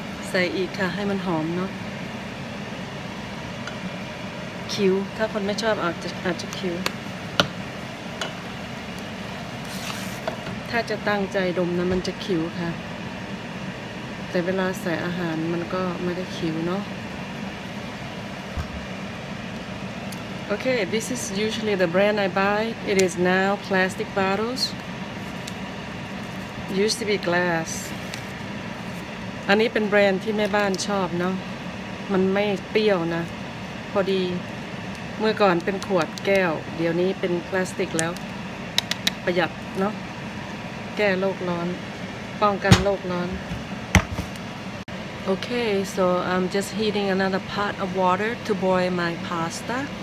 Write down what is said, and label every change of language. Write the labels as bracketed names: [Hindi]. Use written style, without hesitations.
[Thai] ใส่อีกค่ะให้มันหอมเนาะคิ้วถ้าคนไม่ชอบอาจจะคิ้วถ้าจะตั้งใจดมนะมันจะคิ้วค่ะแต่เวลาใส่อาหารมันก็ไม่ได้คิ้วเนาะ [English] Okay, this is usually the brand I buy. It is now plastic bottles. Used to be glass. [Thai] อันนี้เป็นแบรนด์ที่แม่บ้านชอบเนาะมันไม่เปรี้ยวนะพอดีเมื่อก่อนเป็นขวดแก้วเดี๋ยวนี้เป็นพลาสติกแล้วประหยัดเนาะแก้โลกร้อนป้องกันโลกร้อน [English] Okay, so I'm just heating another pot of water to boil my pasta.